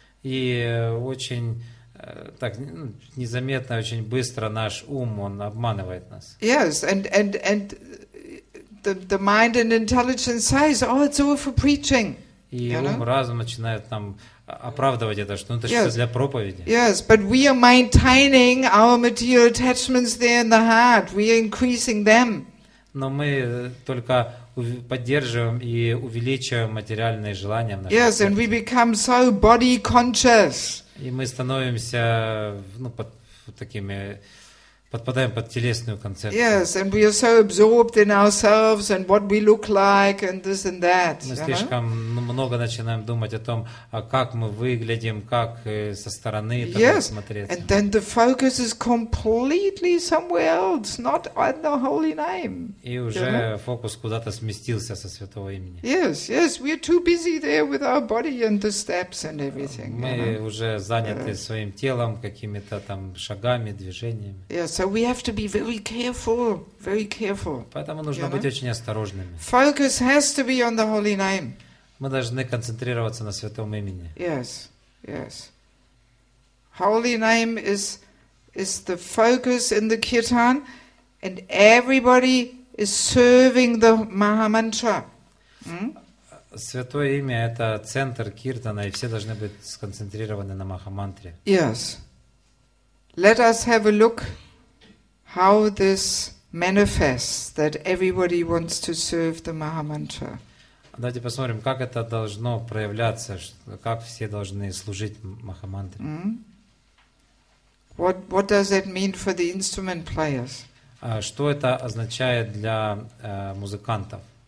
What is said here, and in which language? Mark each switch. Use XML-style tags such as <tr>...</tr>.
<ru>И очень так незаметно, очень быстро наш ум, он обманывает нас.</ru> <en>Yes, and the mind and intelligence says, oh, it's all for preaching.</en> <ru>И ум, разум начинает там оправдывать это, что это все для проповеди.</ru> <en>Yes, but we are maintaining our material attachments there in the heart. We are increasing them.</en> <ru>Но мы только поддерживаем и увеличиваем материальные желания в нашем сердце.</ru> <en>Yes, and we become so body conscious.</en> <ru>И мы становимся, ну, под такими, подпадаем под телесную концепцию.</ru> <en>Yes, and we are so absorbed in ourselves and what we look like and this and that.</en> <ru>Мы слишком много начинаем думать о том, а как мы выглядим, как со стороны так</ru> <en>yes.</en> <ru>смотреться.</ru> <en>And then the focus is completely somewhere else, not on the holy name.</en> <ru>И уже фокус куда-то сместился со святого имени.</ru> <en>Yes, yes, we are too busy there with our body and the steps and everything.</en> <ru>Мы уже заняты своим телом, какими-то там шагами, движениями.</ru> <en>So we have to be very careful,</en> <ru>Поэтому нужно быть очень осторожными.</ru> <en>Focus has to be on the holy name.</en> <ru>Мы должны концентрироваться на святом имени.</ru> <en>Yes, yes. Holy name is the focus in the kirtan, and everybody is serving the Mahamantra.</en> <ru>Святое имя – это центр киртана, и все должны быть сконцентрированы на Махамантре.</ru> <en>Yes. Let us have a look. How this manifests that everybody wants to serve the Mahamantra.</en> <ru>Давайте посмотрим, как это должно проявляться, как все должны служить Махамантре. Mm-hmm.</ru> <en>What does that mean for the instrument players?</en> <ru>Что это означает для музыкантов?</ru>